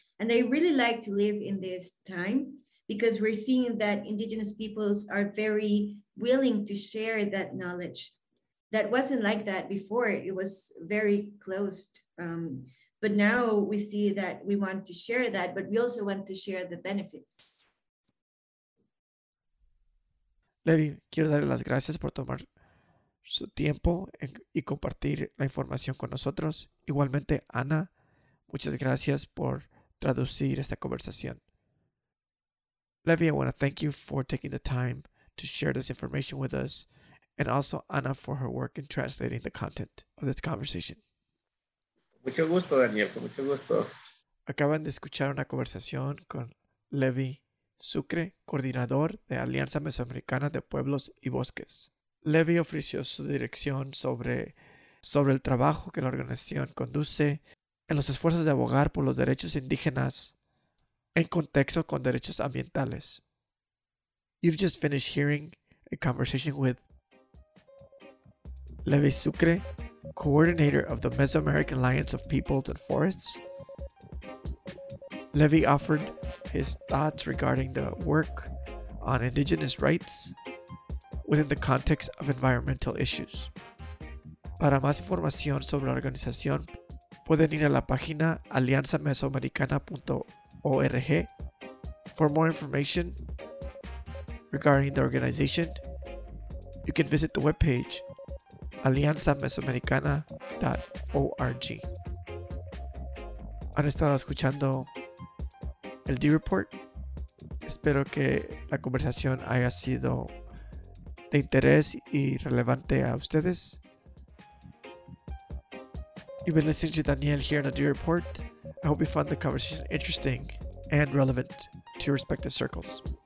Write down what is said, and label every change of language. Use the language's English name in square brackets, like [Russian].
[English] And I really like to live in this time because we're seeing that indigenous peoples are very willing to share that knowledge. That wasn't like that before. It was very closed. But now we see that we want to share that, but we also want to share the benefits. [Spanish] Levi, quiero darle las gracias por tomar su tiempo y compartir la información con nosotros. Igualmente, Ana, muchas gracias por traducir esta conversación. [English] Levi, I want to thank you for taking the time to share this information with us, and also Ana for her work in translating the content of this conversation. [Spanish] Mucho gusto, Daniel. Mucho gusto. Acaban de escuchar una conversación con Levi Sucre, coordinador de Alianza Mesoamericana de Pueblos y Bosques. Levi ofreció su dirección sobre el trabajo que la organización conduce en los esfuerzos de abogar por los derechos indígenas en contexto con derechos ambientales. [English] You've just finished hearing a conversation with Levi Sucre, coordinator of the Mesoamerican Alliance of Peoples and Forests. Levi offered his thoughts regarding the work on indigenous rights within the context of environmental issues. [Spanish] Para más información sobre la organización, pueden ir a la página alianzamesoamericana.org. [English] For more information regarding the organization, you can visit the webpage alianzamesoamericana.org. [Spanish] Han estado escuchando el D-Report. Espero que la conversación haya sido de interés y relevante a ustedes. [English] You've been listening to Daniel here on the D-Report. I hope you found the conversation interesting and relevant to your respective circles.